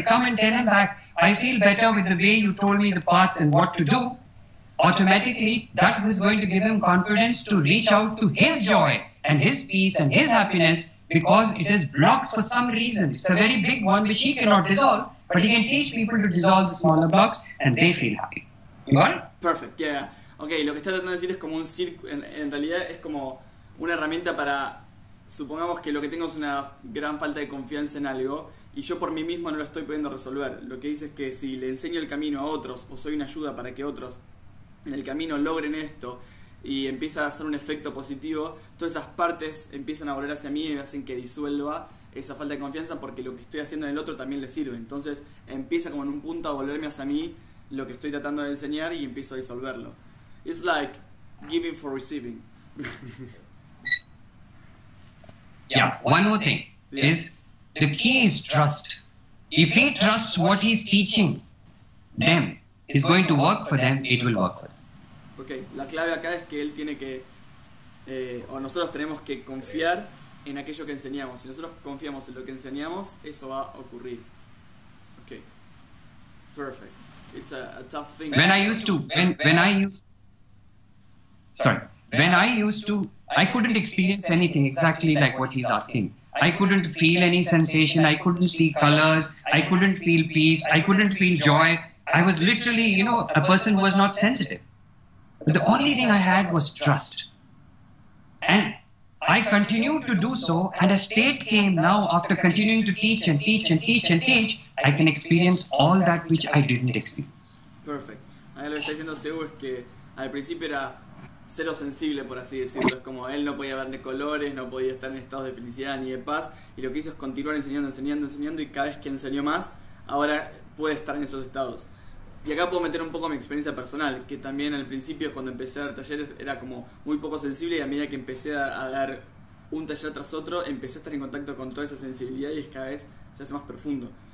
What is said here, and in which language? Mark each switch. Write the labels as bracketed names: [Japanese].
[English] They come and tell him back, I feel better with the way you told me the path and what to do. Automatically, that was going to give him confidence to reach out to his joy and his peace and his happiness. Because it is blocked for some reason. It's a very big one which he cannot dissolve, but he can teach people to dissolve the smaller blocks and they feel happy. You got it? Perfect, yeah. [Spanish] Okay, lo que está tratando de decir es como un círculo, en realidad es como una herramienta para, supongamos que lo que tengo es una gran falta de confianza en algo y yo por mí mismo no lo estoy pudiendo resolver. Lo que dice es que si le enseño el camino a otros o soy una ayuda para que otros en el camino logren esto, y empieza a hacer un efecto positivo, todas esas partes empiezan a volver hacia mí y hacen que disuelva esa falta de confianza porque lo que estoy haciendo en el otro también le sirve. Entonces empieza como en un punto a volverme hacia mí lo que estoy tratando de enseñar y empiezo a disolverlo. [English] It's like giving for receiving. Yeah, one more thing is the key is trust. If he trusts what he's teaching them, it's going to work for them, it will work for them. Ok. [Spanish] okay, la clave acá es que él tiene que, o nosotros tenemos que confiar en aquello que enseñamos. Si nosotros confiamos en lo que enseñamos, eso va a ocurrir. [English] Okay, perfect. It's a tough thing. When I used to, I couldn't experience anything exactly like what he's asking. I couldn't feel any sensation. I couldn't see colors. I couldn't feel peace. I couldn't feel joy. I was literally, you know, a person who was not sensitive. But the only thing I had was trust. And I continued to do so, and a state came now after continuing to teach and teach and teach and teach, I can experience all that which I didn't experience. Perfect. [Spanish] Ahí lo que está diciendo Seu es que al principio era cero sensible, por así decirlo. Es como él no podía ver de colores, no podía estar en estados de felicidad ni de paz. Y lo que hizo es continuar enseñando, enseñando, enseñando, y cada vez que enseñó más, ahora puede estar en esos estados. Y acá puedo meter un poco mi experiencia personal, que también al principio cuando empecé a dar talleres era como muy poco sensible, y a medida que empecé a dar un taller tras otro, empecé a estar en contacto con toda esa sensibilidad y es cada vez se hace más profundo.